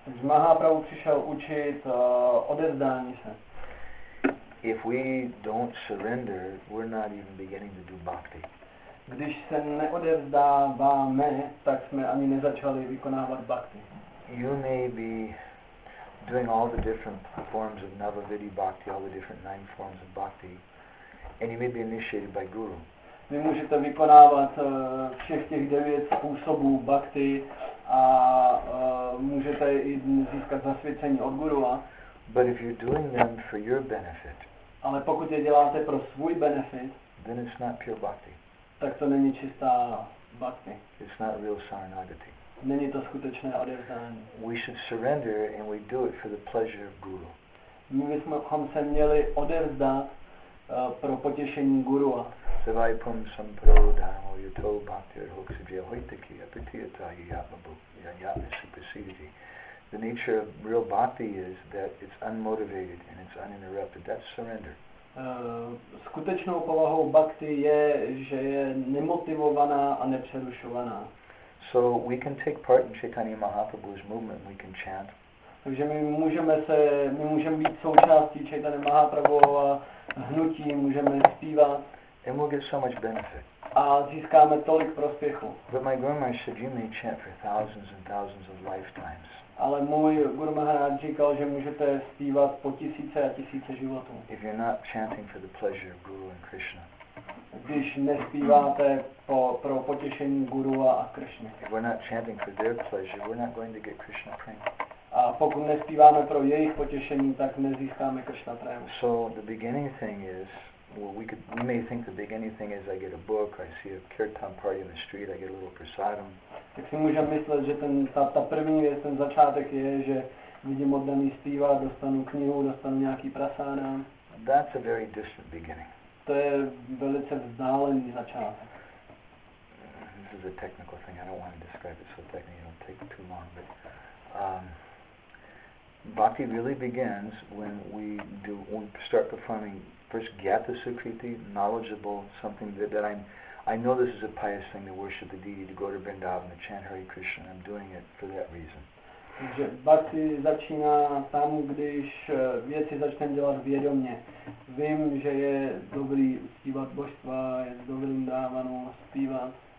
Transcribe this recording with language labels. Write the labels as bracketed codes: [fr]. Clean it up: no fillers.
[cs] Mahaprabhu přišel učit odevzdání se. [en] If we don't surrender, we're not even beginning to do bhakti. [cs] Když se neodevzdáváme, tak jsme ani nezačali vykonávat bhakti. [en] You may be doing all the different forms of Navavidhi bhakti, all the different nine forms of bhakti, and you may be initiated by guru. [cs] Vy můžete vykonávat všech těch devět způsobů bhakti a můžete i získat zasvěcení od gurua. [en] But if you're doing them for your benefit, [cs] ale pokud je děláte pro svůj benefit, [en] then it's not pure bhakti. [cs] Tak to není čistá bhakti. [en] It's not real saranagati. [cs] Není to skutečné odevzdání. [en] We should surrender and we do it for the pleasure of guru. [cs] My bychom se měli odevzdat pro potěšení gurua. Sevai pum sampradam o yato bhakti hoksidya hoitaki apitiyata yatmabu yanyatna supersidhi. [en] The nature of real bhakti is that it's unmotivated and it's uninterrupted. That's surrender. [cs] Skutečnou povahou bhakti je, že je nemotivovaná a nepřerušovaná. [en] So we can take part in Chaitanya Mahaprabhu's movement. We can chant. [cs] Takže my můžeme být součástí Chaitanya Mahaprabhuova hnutí, můžeme zpívat. [en] And we'll get so much benefit. [cs] A získáme tolik prospěchu. [en] But my grandma said you may chant for thousands and thousands of lifetimes. [cs] Ale můj Guru Maharaj říkal, že můžete zpívat po tisíce a tisíce životů. [en] If you're not chanting for the pleasure of Guru and Krishna. [cs] Když nespíváte pro potěšení Gurua a Krishna. [en] If we're not chanting for their pleasure, we're not going to get Krishna prema. [cs] A pokud nespíváme pro jejich potěšení, tak nezískáme Krishna prema. [en] So the beginning thing is, well, we may think the beginning thing is I get a book, I see a kirtan party in the street, I get a little prasadam. [cs] Tak si můžeme myslet, že ta první věc, ten začátek je, že vidím oddaný zpívat, dostanu knihu, dostanu nějaký prasadam. [en] That's a very distant beginning. [cs] To je velice vzdálený začátek. [en] This is a technical thing, I don't want to describe it so technically, it'll take too long, but bhakti really begins when we start performing first gyata sukriti, knowledgeable, something that I know this is a pious thing to worship the deity, to go to Vrindavan, to chant Hare Krishna. I'm doing it for that reason. [cs] Takže bhakti začíná tam, když věci začneme dělat vědomě. Vím, že je dobrý uctívat božstva, je do Vrindavanu zpívat.